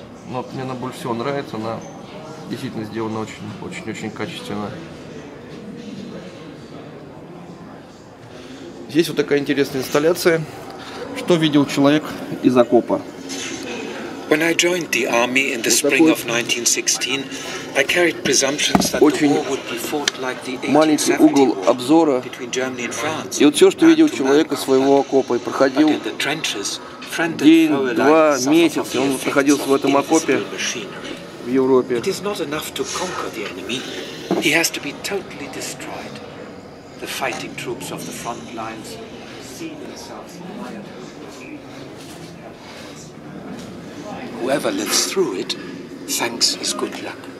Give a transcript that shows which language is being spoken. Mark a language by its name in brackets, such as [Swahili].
[Russian] Но мне она больше всего нравится, она действительно сделана очень-очень качественно. Здесь вот такая интересная инсталляция. Что видел человек из окопа? [English] When I joined the army in the spring of 1916, I carried presumptions that the war would be fought like the 1870 war between Germany and France. [Russian] И вот все, что видел человек из своего окопа и проходил день, два, месяца, он находился в этом окопе в Европе. [English] It is not enough to conquer the enemy. He has to be totally destroyed. The fighting troops of the front lines see themselves annihilated. Whoever lives through it thanks his good luck.